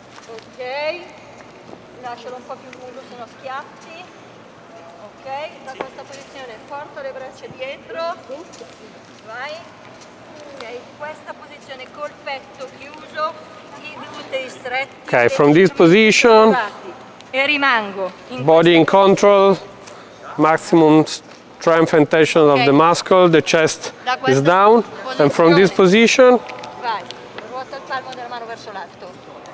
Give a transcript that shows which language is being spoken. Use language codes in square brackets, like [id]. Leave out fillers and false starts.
[it] Ok, lascialo un po' più lungo se no schiacci. Ok, da questa posizione porto le braccia dietro. Vai. Ok, questa posizione col petto chiuso, i glutei stretti. [en] Ok, from this position. [it] E rimango. [en] Body in control, maximum strength and tension of the muscle, the chest is down. And from this position. [it] Vai, ruota il palmo della mano verso l'alto.